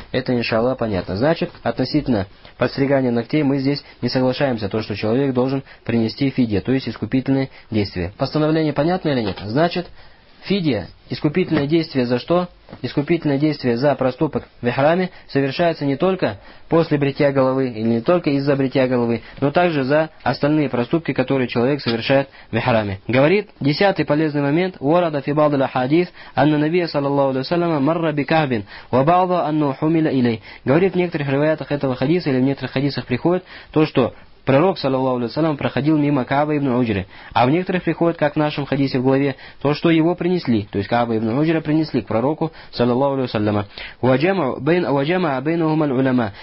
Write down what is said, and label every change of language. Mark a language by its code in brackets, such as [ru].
[ru] Это, иншаллах, понятно. Значит, относительно подстригания ногтей мы здесь не соглашаемся, то, что человек должен принести фидия, то есть искупительное действие. Постановление понятно или нет? Значит, фидия, искупительное действие за что? Искупительное действие за проступок в храме совершается не только после бритья головы или не только из-за бритья головы, но также за остальные проступки, которые человек совершает в храме. Говорит 10-й полезный момент: [ar] ورد في بعض الاحاديث ان النبي صلى الله عليه وسلم مر بكعب وبعض انه حمل اليه. [ru] Говорит, в некоторых риваятах этого хадиса или в некоторых хадисах приходит то, что пророк, саллаллаху алейхи ва саллям, проходил мимо Каабы ибн Уджры. А в некоторых приходит, как в нашем хадисе в главе, то, что его принесли. То есть Каабы ибн Уджры принесли к пророку, саллаллаху алейхи ва салляма. [ar] Ва джамаа байнахума аль-улама.